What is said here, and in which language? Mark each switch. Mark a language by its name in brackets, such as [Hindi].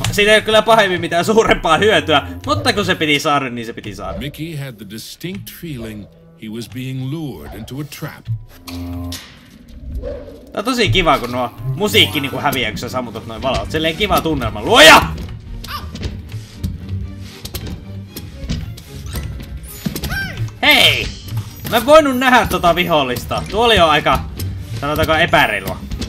[Finnish] Siinä ei ole kyllä pahemmin mitään suurempaa hyötyä, mutta kun se piti saada, niin se piti saada. [English] Mikki had the distinct feeling he was being lured into a trap. [Finnish] Tää on tosi kiva, kun nuo musiikki niinku häviää, kun sä sammutat noin valot. Silleen kiva tunnelma. Luoja! Hei! Mä en voinut nähdä tota vihollista. Tuoli on aika, sanotaanko, epäreilua.